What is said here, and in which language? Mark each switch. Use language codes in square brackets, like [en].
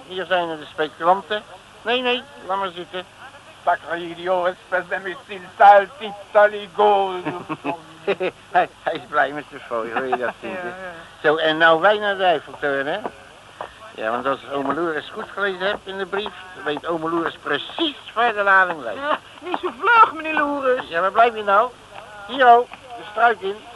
[nl] Hier zijn de speculanten. Nee, nee, laat maar zitten. [fr] Sacre idiot, espèce d'imbécile, sale type, sale ego. [nl] Hij is blij met de fooi, hoor je dat, Sintje. Zo, en nou wij naar de Eiffeltoren, hè. Ja, want als ome Loeris goed gelezen hebt in de brief, weet ome Loeris precies waar de lading ligt. Ja, niet zo vlug, meneer Loeris. Ja, maar blijf je nou. Hier, ho, de struik in.